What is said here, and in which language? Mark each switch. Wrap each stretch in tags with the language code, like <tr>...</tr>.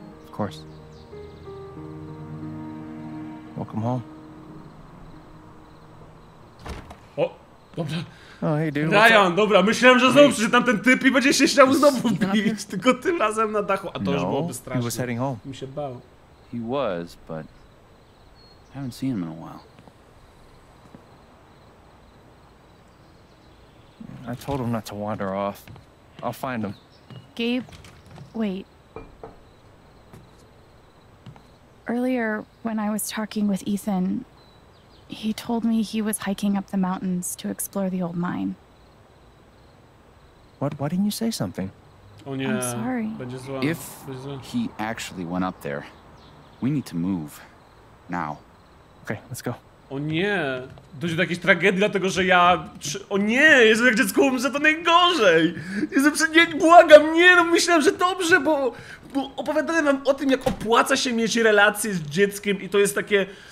<en>Of course. Welcome home.</en> <pl>O, dobra.</pl> <en>Oh, hey dude,</en> <pl>Ryan, dobra, myślałem, że znowu przeczytam ten typ i będzie się chciał znowu bić, tylko tym razem na dachu. A to no, już byłoby strasznie.</pl> <en>He was heading home.</en> <pl>Mi się bał.</pl> <en>He was, but I haven't seen him in a while. I told him not to wander off. I'll find him. Gabe, wait. Earlier, when I was talking with Ethan, he told me he was hiking up the mountains to explore the old mine. What? Why didn't you say something? Oh, yeah. I'm sorry. If he actually went up there, we need to move. Now. Okay, let's go.</en> <pl>O nie, dojdzie do jakiejś tragedii, dlatego że ja... O nie, Jezu, jak dziecko umrze, to najgorzej! Jezu, nie, błagam, nie, no myślałem, że dobrze, bo opowiadałem wam o tym, jak opłaca się mieć relacje z dzieckiem i to jest takie...</pl>